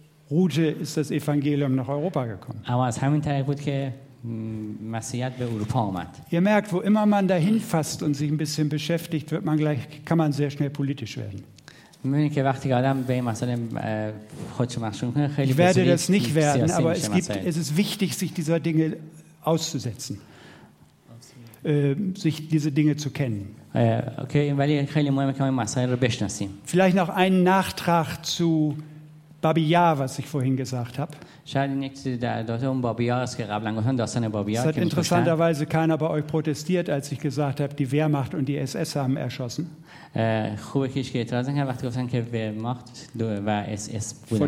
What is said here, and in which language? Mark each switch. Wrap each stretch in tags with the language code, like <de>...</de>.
<de>Route ist das Evangelium nach Europa gekommen.</de> <fa>Aber aus همین طریق بود که مسیحیت به اروپا آمد.</fa> <de>Ihr merkt, wo immer man dahin fasst und sich ein bisschen beschäftigt, wird man gleich, kann man sehr schnell politisch werden.</de> <fa>می‌بینی که وقتی آدم به این مسائل خودش مشغول کنه خیلی</fa> <de>بسیاری werde das nicht werden, aber es gibt, es ist wichtig, sich dieser Dinge auszusetzen, sich diese Dinge zu kennen.</de> <fa>Okay, ولی خیلی مهمه که ما این مسائل رو بشناسیم.</fa> <de>Vielleicht noch einen Nachtrag zu Babi Yar, was ich vorhin gesagt habe. Es hat interessanterweise keiner bei euch protestiert, als ich gesagt habe, die Wehrmacht und die SS haben erschossen. Vor</de>